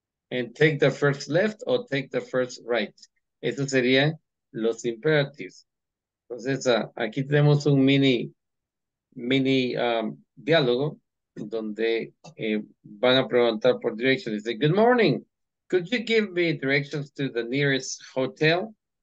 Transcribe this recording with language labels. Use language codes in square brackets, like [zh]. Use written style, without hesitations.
[en] And take the first left or take the first right. [es] Eso sería los imperativos. Entonces, aquí tenemos un mini diálogo donde van a preguntar por direction. Dice, [en] good morning. Could you give me directions to the nearest hotel?